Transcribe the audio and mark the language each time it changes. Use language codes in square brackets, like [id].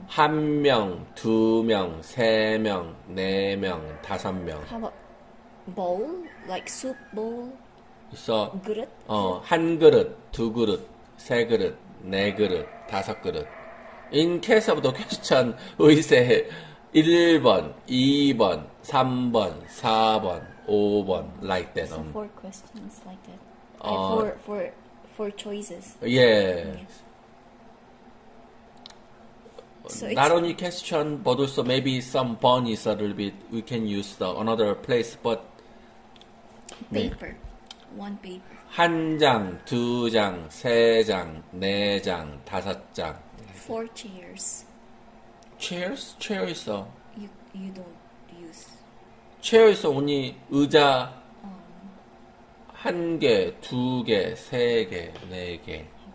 [ko] 한 명, 두 명, 세 명, 네 명, 다섯 명. [en] how about bowl? Like soup bowl? [ko] 있어. [en] Grit? [ko] 한 그릇, 두 그릇, 세 그릇, 네 그릇, 다섯 그릇. [en] In case of the question, we say [ko] 1번, 2번, 3번, 4번, 5번, [en] like that. So four questions like that. Like four choices. Yes. So not it's only question, but also maybe some bun is a little bit. We can use the another place, but [ko] 네. [en] paper, one paper. [ko] 한 장, 두 장, 세 장, 네 장, 다섯 장. [en] Four chairs. Chairs? Chair [ko] 있어. [en] You don't use Chair one [ko] 있어. 언니 의자 한 개, 두 개, 세 개, 네 개.